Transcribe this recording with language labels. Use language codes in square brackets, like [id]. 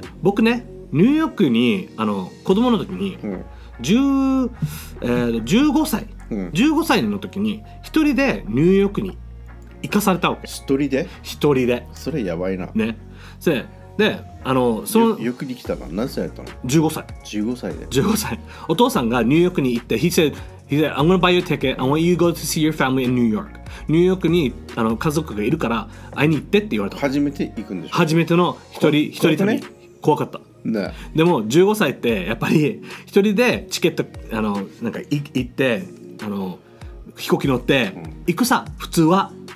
[ja] 僕ね、ニューヨークにあの子供の時に、うん、 15歳、15歳の時に一人でニューヨークに行かされたわけ。一人で。それやばいな。ね。せ。で、あの、その、よく来たか、何歳だったの？ 15歳。お父さんがニューヨークに行って、 [en] He said, I'm gonna buy you a ticket, I want you to go to see your family in New York. [ja] ニューヨークにあの家族がいるから、会いに行ってって言われた。初めて行くんでしょ？初めての一人旅、ね、怖かった。ね、でも、15歳って、やっぱり、一人でチケット、あの、なんか行って、あの、飛行機乗って、行くさ、普通は。